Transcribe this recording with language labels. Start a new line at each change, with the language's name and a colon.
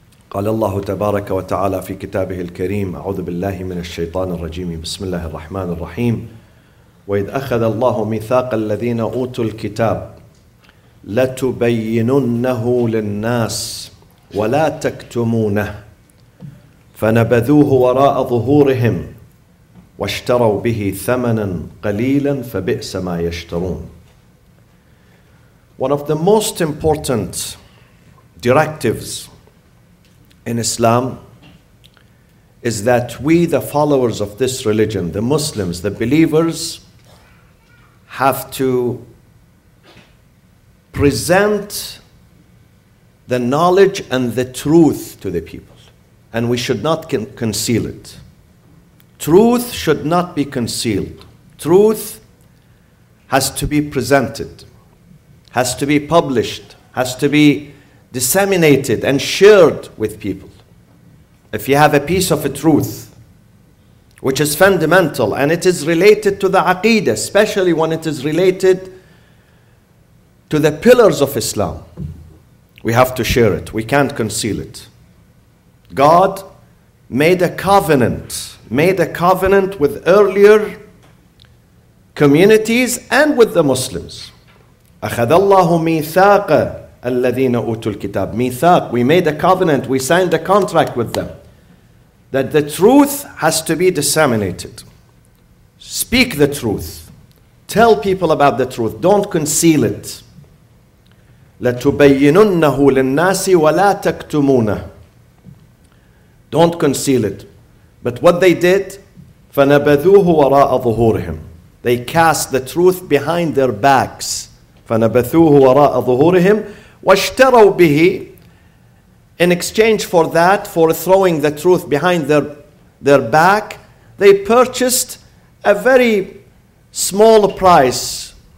Arabic: قال الله تبارك وتعالى في كتابه الكريم، أعوذ بالله من الشيطان الرجيم، بسم الله الرحمن الرحيم: وإذ أخذ الله ميثاق الذين أوتوا الكتاب لتبيننه للناس ولا تكتمونه فنبذوه وراء ظهورهم واشتروا به ثمنا قليلا فبئس ما يشترون.
English: One of the most important directives in Islam is that we, the followers of this religion, the Muslims, the believers, have to present the knowledge and the truth to the people, and we should not conceal it. Truth should not be concealed. Truth has to be presented, has to be published, has to be disseminated and shared with people. If you have a piece of a truth which is fundamental and it is related to the aqeedah, especially when it is related to the pillars of Islam, we have to share it. We can't conceal it. God made a covenant with earlier communities and with the Muslims.
Arabic: أخذ الله ميثاق الذين أوتوا الكتاب.
English: ميثاق, we made a covenant, we signed a contract with them, that the truth has to be disseminated. Speak the truth. Tell people about the truth. Don't conceal it.
Arabic: لتبيننه للناس ولا تكتمونه.
English: Don't conceal it. But what they did,
Arabic: فنبذوه وراء ظهورهم.
English: They cast the truth behind their backs.
Arabic: فنبثوه وراء ظهورهم واشتروا به.
English: In exchange for that, for throwing the truth behind their back, they purchased a very small price.